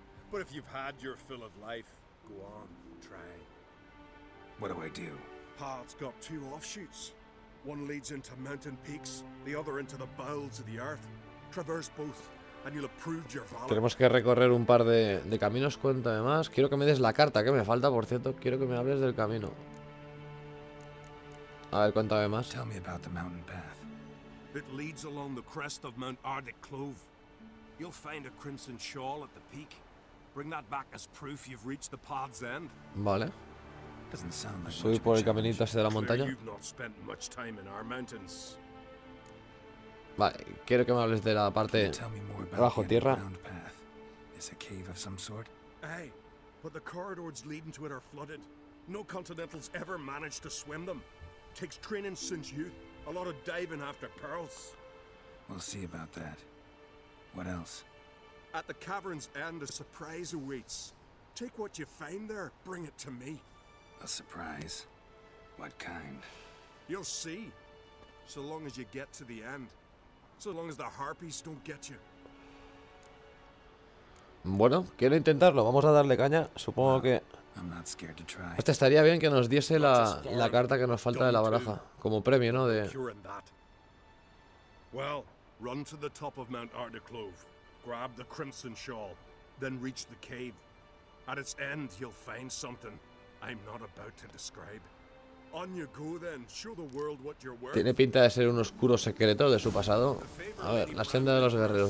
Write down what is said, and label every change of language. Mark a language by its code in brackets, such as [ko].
[en] But if you've had your fill of life, go on, try. What do I do? Path's got 2 offshoots. One leads into mountain peaks, the other into the bowels of the earth. Traverse both, and you'll have proved your valor. [es] Tenemos que recorrer un par de caminos, cuéntame más. Quiero que me des la carta, que me falta, por cierto. Quiero que me hables del camino. A ver, cuéntame más. [en] Tell me about the mountain path. It leads along the crest of Mount Ardic Clove. You'll find a crimson shawl at the peak. Bring that back as proof you've reached the path's end. [es] Vale. [en] Doesn't sound like [es] Soy por el caminito [en] challenge. [es] Hacia la montaña. [en] You've not spent much time in our mountains. [es] Vale, quiero que me hables de la parte bajo tierra. [en] Is a cave of some sort. Hey, but the corridors leading to it are flooded. No continentals ever managed to swim them. Takes training since youth. A lot of diving after pearls. We'll see about that. What else? At the cavern's end, a surprise awaits. Take what you find there, bring it to me. A surprise? What kind? You'll see. So long as you get to the end. So long as the harpies don't get you. [es] Bueno, quiero intentarlo. Vamos a darle caña. Supongo que... Este estaría bien que nos diese la carta que nos falta de la baraja. Como premio, ¿no? De... [en] Well, run to the top of Mount Ardiclove. Grab the crimson shawl, then reach the cave. At its end, you'll find something I'm not about to describe. On you go then, show the world what you're worth. [es] Tiene pinta de ser un oscuro secreto de su pasado. A ver, la senda de los guerreros.